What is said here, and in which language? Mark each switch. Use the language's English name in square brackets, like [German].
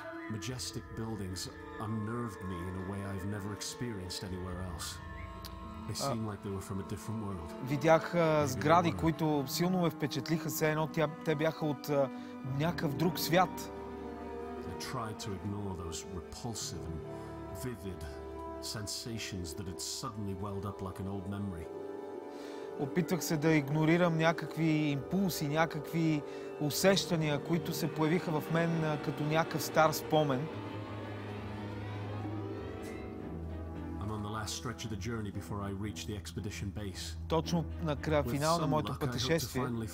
[English] Majestic buildings unnerved me in a way I've never experienced anywhere else. They seemed like they were from a different world. [Bulgarian] Видях сгради, които силно ме впечатлиха, все едно те бяха от някакъв друг свят. [English] I tried to ignore those repulsive and vivid sensations that had suddenly welled up like an old memory. [Bulgarian] Опитвах се да игнорирам някакви импулси, някакви усещания, които се появиха в мен като някакъв стар спомен. [English] I'm on the last stretch of the journey before I reach the expedition base. [Bulgarian] Точно на края, финал на моето пътешествие.